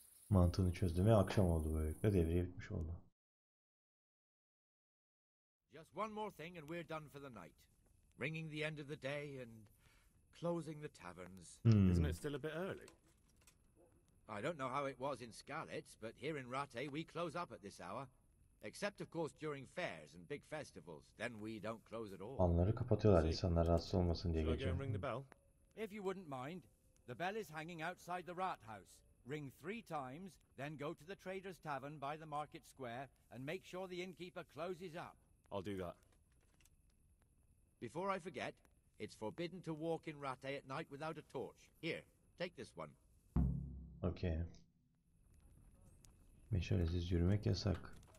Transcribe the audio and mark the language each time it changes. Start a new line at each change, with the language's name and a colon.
Turkish: Mantığını çözdüm ve akşam oldu böylelikle. Devreye bitmiş oldu.
English: Just one more thing and we're done for the night. Ringing the end of the day and closing the taverns. Isn't it still a bit early? I don't know how it was in Scarlet, but here in Rate we close up at this hour. Except of course during fairs and big festivals, then we don't close at all.
Turkish: Onları kapatıyorlar insanlar rahatsız olmasın diye geçiyorum.
English: If you wouldn't mind, the bell is hanging outside the rat house. Ring three times, then go to the trader's tavern by the market square and make sure the innkeeper closes up. I'll do that. Before I forget, it's forbidden to walk in Rate at night without a torch. Here, take this one. Okay.
Turkish: Meşalesiz yürümek yasak.